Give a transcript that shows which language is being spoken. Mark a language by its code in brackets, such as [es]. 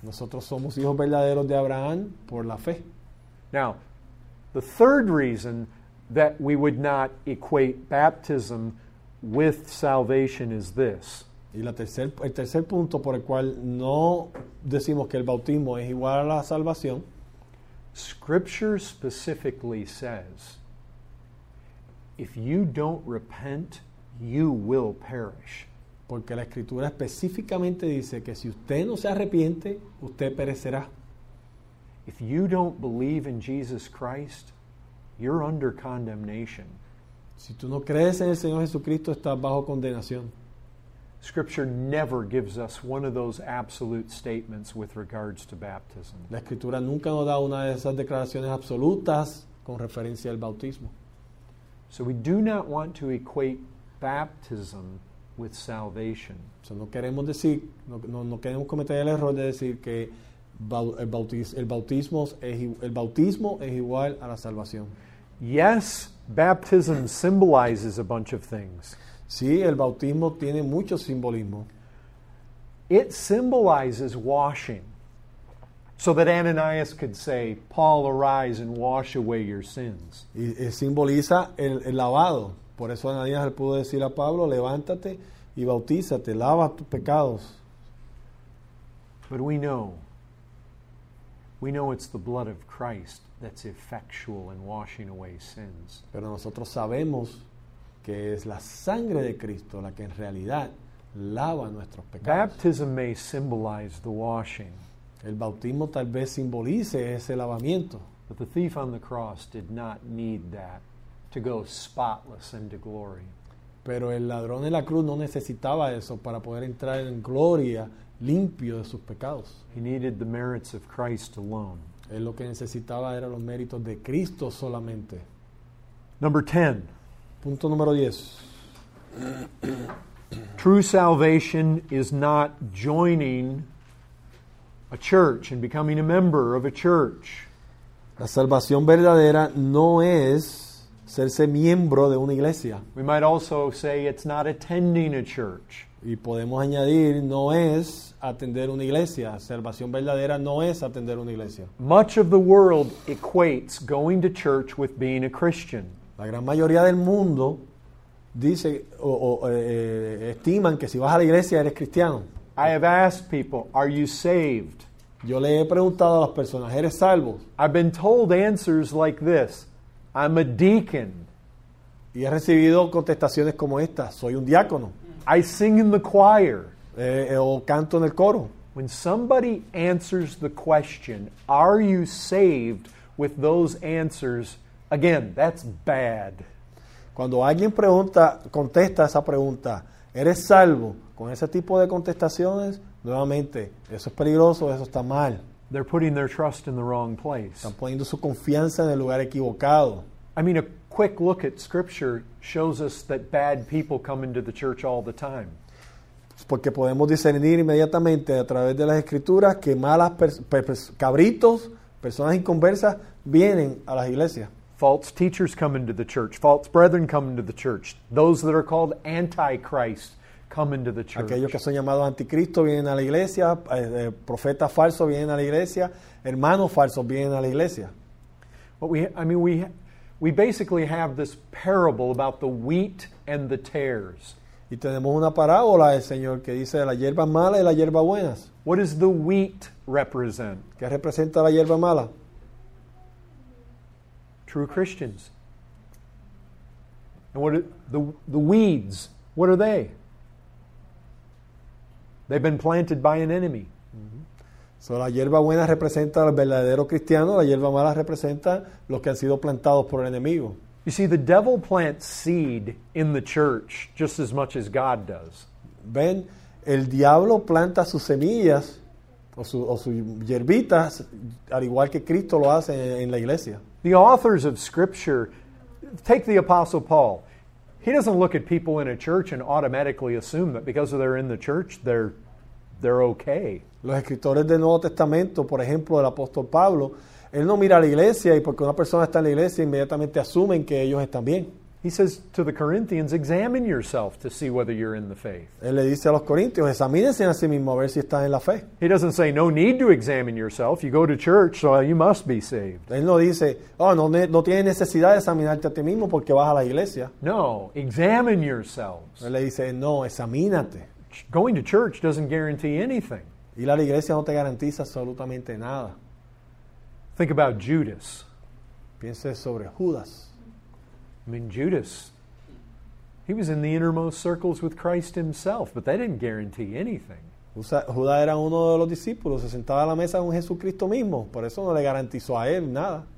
[es] Nosotros somos hijos verdaderos de Abraham por la fe. [en] Now, the third reason that we would not equate baptism with salvation is this. [es] Y el tercer punto por el cual no decimos que el bautismo es igual a la salvación. [en] Scripture specifically says, if you don't repent, you will perish. [es] Porque la Escritura específicamente dice que si usted no se arrepiente, usted perecerá. [en] If you don't believe in Jesus Christ, you're under condemnation. [es] Si tú no crees en el Señor Jesucristo, estás bajo condenación. [en] Scripture never gives us one of those absolute statements with regards to baptism. [es] La Escritura nunca nos da una de esas declaraciones absolutas con referencia al bautismo. [en] So we do not want to equate baptism with salvation. [es] So no queremos decir, no queremos cometer el error de decir que el bautismo es igual a la salvación. [en] Yes, baptism symbolizes a bunch of things. [es] Sí, el bautismo tiene mucho simbolismo. [en] It symbolizes washing. So that Ananias could say, Paul, arise and wash away your sins. [es] Y simboliza el lavado. Por eso Ananias le pudo decir a Pablo, levántate y bautízate, lava tus pecados. [en] But we know it's the blood of Christ that's effectual in washing away sins. [es] Pero nosotros sabemos que es la sangre de Cristo la que en realidad lava nuestros pecados. [en] Baptism may symbolize the washing. [es] El bautismo tal vez simbolice ese lavamiento. [en] But the thief on the cross did not need that to go spotless into glory. [es] Pero el ladrón en la cruz no necesitaba eso para poder entrar en gloria limpio de sus pecados. [en] He needed the merits of Christ alone. [es] Él lo que necesitaba era los méritos de Cristo solamente. [en] Number 10. [es] Punto número 10. [en] True salvation is not joining a church and becoming a member of a church. [es] La salvación verdadera no es serse miembro de una iglesia. We might also say it's not attending a church. Y podemos añadir, no es atender una iglesia. Salvación verdadera no es atender una iglesia. [en] Much of the world equates going to church with being a Christian. [es] La gran mayoría del mundo dice estiman que si vas a la iglesia eres cristiano. [en] I have asked people, are you saved? [es] Yo le he preguntado a las personas, ¿eres salvo? [en] I've been told answers like this, I'm a deacon. [es] Y he recibido contestaciones como esta, soy un diácono. [en] I sing in the choir. [es] O canto en el coro. [en] When somebody answers the question, are you saved, with those answers, again, that's bad. [es] Cuando alguien pregunta, contesta esa pregunta, ¿eres salvo? Con ese tipo de contestaciones, nuevamente, eso es peligroso, eso está mal. [en] They're putting their trust in the wrong place. [es] Están poniendo su confianza en el lugar equivocado. [en] I mean, a quick look at Scripture shows us that bad people come into the church all the time. [es] Porque podemos discernir inmediatamente a través de las Escrituras que malas cabritos, personas inconversas, vienen a las iglesias. [en] False teachers come into the church. False brethren come into the church. Those that are called antichrist come into the church. [es] Aquellos que son llamados anticristo vienen a la iglesia. Profetas falsos vienen a la iglesia. Hermanos falsos vienen a la iglesia. [en] We basically have this parable about the wheat and the tares. [es] Y tenemos una parábola del Señor que dice de la hierba mala y la hierba buena. [en] What does the wheat represent? [es] ¿Qué representa la hierba mala? [en] True Christians. And what are the weeds? What are they? They've been planted by an enemy. [es] So la hierba buena representa al verdadero cristiano, la hierba mala representa los que han sido plantados por el enemigo. [en] You see, the devil plants seed in the church just as much as God does. [es] Ven, el diablo planta sus semillas o sus hierbitas, al igual que Cristo lo hace en la iglesia. [en] The authors of Scripture, take the Apostle Paul. He doesn't look at people in a church and automatically assume that because they're in the church, they're okay. [es] Los escritores del Nuevo Testamento, por ejemplo, el apóstol Pablo, él no mira a la iglesia y porque una persona está en la iglesia, inmediatamente asumen que ellos están bien. [en] He says to the Corinthians, examine yourself to see whether you're in the faith. [es] Él le dice a los corintios, examínense a sí mismo a ver si están en la fe. [en] He doesn't say, no need to examine yourself. You go to church, so you must be saved. [es] Él no dice, oh, no tienes necesidad de examinarte a ti mismo porque vas a la iglesia. [en] No, examine yourselves. [es] Él le dice, no, examínate. [en] Going to church doesn't guarantee anything. [es] Ir a la iglesia no te garantiza absolutamente nada. [en] Think about Judas. [es] Piense sobre Judas. [en] I mean, Judas, he was in the innermost circles with Christ himself, but that didn't guarantee anything. [es] Judas era uno de los discípulos, se sentaba a la mesa con Jesucristo mismo, por eso no le garantizó a él nada.